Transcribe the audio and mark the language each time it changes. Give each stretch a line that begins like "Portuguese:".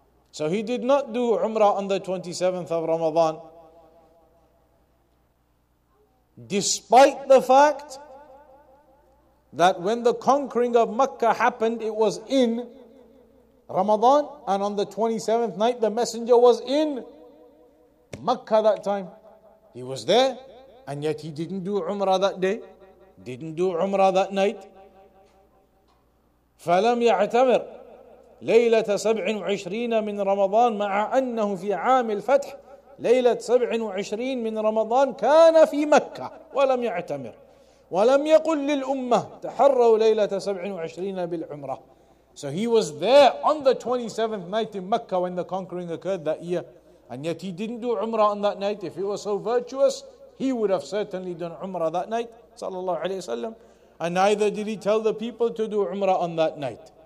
English: So he did not do Umrah on the 27th of Ramadan, despite the fact that when the conquering of Makkah happened, it was in Ramadan, and on the 27th night, the messenger was in Makkah that time. He was there, and yet he didn't do Umrah that day, didn't do Umrah that night.
Arabic: فَلَمْ يَعْتَمِرْ ليلة 27 من رمضان مع أنه في عام الفتح ليلة 27 من رمضان كان في مكة ولم يعتمر ولم يقل للأمة تحروا ليلة 27 بالعمرة.
English: So he was there on the 27th night in Mecca when the conquering occurred that year, and yet he didn't do Umrah on that night. If he was so virtuous, he would have certainly done Umrah that night, صلى الله عليه وسلم. And neither did he tell the people to do Umrah on that night.